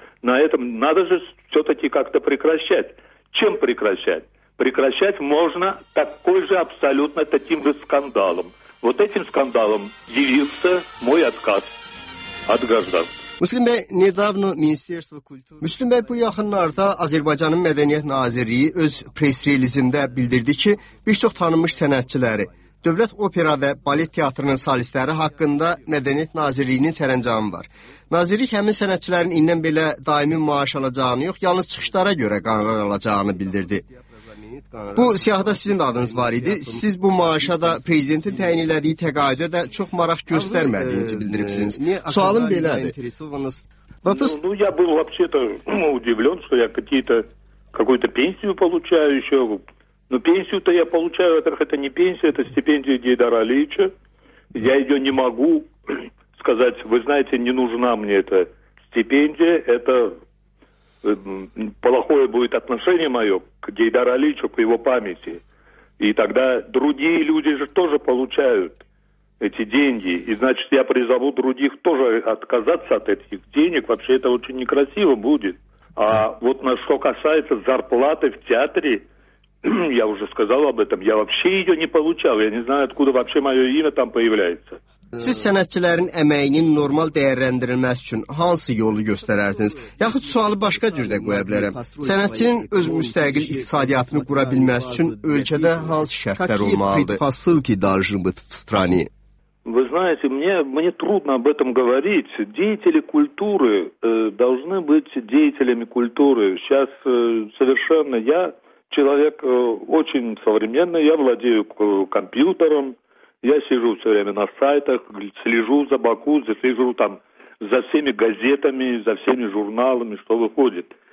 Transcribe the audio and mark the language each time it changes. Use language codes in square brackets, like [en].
[ru] На этом надо же все-таки как-то прекращать. Чем прекращать? Прекращать можно такой же абсолютно таким же скандалом. Вот этим скандалом явился мой отказ от гражданства. [az] Müslüm Bey, [ru] недавно Министерство культуры... [az] Müslüm Bey, bu yaxınlarda Azərbaycanın Mədəniyyət Nazirliyi öz press releasində bildirdi ki, bir çox tanınmış sənətçiləri, Dövlət Opera və Balet Teatrının salistləri haqqında Mədəniyyət Nazirliyinin sərəncamı var. Nazirlik həmin sənətçilərin indən belə daimi maaş alacağını yox, yalnız çıxışlara görə qanunlar alacağını bildirdi. Bu siyahıda sizin adınız var idi. Siz bu maaşa da prezidentin təyin elədiyi təqaüdə də çox maraq göstərmədiyinizi bildiribsiniz. Sualım belədir. [ru] Ну, я был вообще-то удивлен, что я какую-то пенсию получаю еще. Но пенсию-то я получаю, во-первых, это не пенсия, это стипендия Гейдара Ильича. Я ее не могу сказать, вы знаете, не нужна мне эта стипендия, это... плохое будет отношение мое к Гейдару Ильичу, к его памяти. И тогда другие люди же тоже получают эти деньги. И значит, я призову других тоже отказаться от этих денег. Вообще это очень некрасиво будет. А вот на что касается зарплаты в театре, я уже сказал об этом, я вообще ее не получал. Я не знаю, откуда вообще мое имя там появляется. [az] Siz sənətçilərin əməyinin normal dəyərləndirilməsi üçün hansı yolu göstərərdiniz? Yaxud sualı başqa cürdə qoya bilərəm. Sənətçinin öz müstəqil iqtisadiyyatını qura bilməsi üçün ölkədə hansı şərtlər olmalıdır? Fasıl ki, darjın bıt v strani. [ru] Вы знаете, мне трудно об этом говорить. Деятели культуры должны быть деятелями культуры. Сейчас совершенно я человек очень современный, я владею компьютером. Я сижу все время на сайтах, слежу за Баку, слежу там за всеми газетами, за всеми журналами, что выходит.